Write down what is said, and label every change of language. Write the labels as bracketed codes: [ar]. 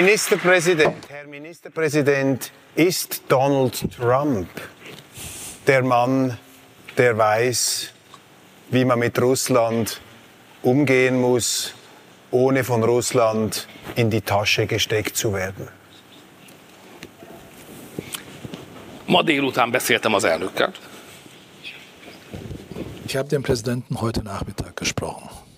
[de] Herr Ministerpräsident, ist Donald Trump der Mann, der weiß, wie man mit Russland umgehen muss, ohne von Russland in die Tasche gesteckt zu werden? [hu] Ma délután beszéltem az elnökkel. [de] Ich habe den Präsidenten heute Nachmittag gesprochen.